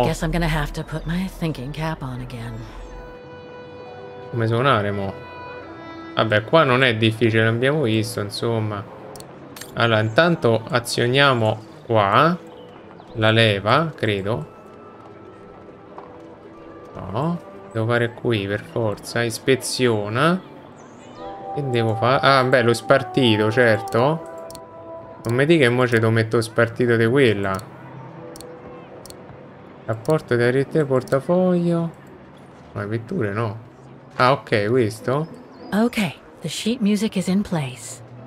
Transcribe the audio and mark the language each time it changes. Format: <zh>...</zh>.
<en>I guess I'm gonna have to put my thinking cap on again.</en> <it>Come suonare mo? Vabbè, qua non è difficile, l'abbiamo visto, insomma. Allora, intanto azioniamo qua la leva, credo. No, devo fare qui per forza. Ispeziona. Che devo fare? Ah, beh, lo spartito, certo. Non mi dica che mo ce lo metto spartito di quella. Rapporto di rete portafoglio. Ma le vetture no. Ah, ok, questo.</it> <en>Ok, the sheet music is in place.</en>